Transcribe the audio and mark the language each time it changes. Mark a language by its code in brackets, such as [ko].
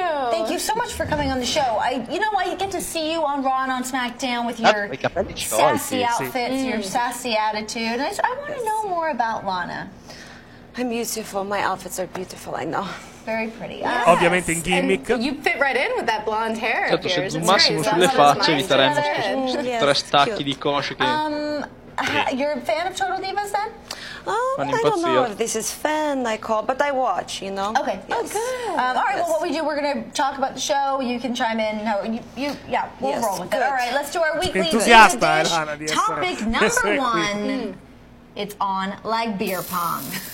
[en] Thank you so much for coming on the show. I get to see you on Raw and on SmackDown with your sassy outfits, your sassy attitude. I want to know more about Lana. I'm beautiful. My outfits are beautiful, I know. Very pretty. [it] Yes. Ovviamente in gimmick. [en] And you fit right in with that blonde hair. [it] Certo, se zoomassimo sulle facce eviteremmo tre stacchi di cosce che... [en] You're a fan of Total Divas then? I don't know if this is fan I call, but I watch, you know. Okay. Yes. Oh, good. All right. Yes. Well, what we do? We're gonna talk about the show. You can chime in. No, you. Yeah. We'll roll with it. All right. Let's do our weekly [it] Enthusiasta, [en] dish. Topic number one. It's on like beer pong.